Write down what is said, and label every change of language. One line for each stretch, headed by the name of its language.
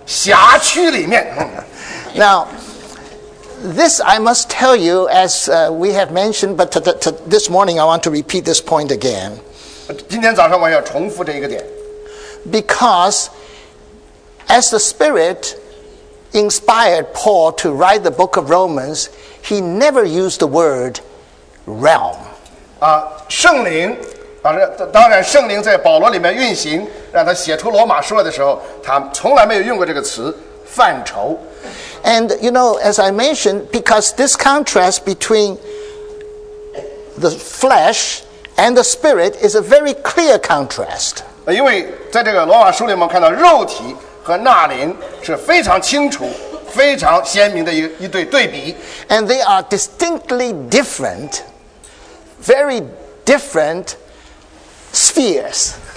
Chinese: 所以我们现在呢，我们这几个月下来，我们发现主把我们从范畴里面，已经把我们非常拔高到这个辖区里面。
English: Now, this I must tell you, as we have mentioned, but this morning I want to repeat this point again.
Chinese: 今天早上我要重复这一个点。
English: Because as the Spirit inspired Paul to write the book of Romans, he never used the word realm.
Chinese: 圣灵，当然圣灵在保罗里面运行，让他写出罗马书来的时候，他从来没有用过这个词范畴。
English: And you know, as I mentioned, because this contrast between the flesh and the spirit is a very clear contrast.
Chinese: 因为在这个罗马书里面看到肉体和纳灵是非常清楚。非常鲜明的一对对比，
English: and they are distinctly different, very different spheres.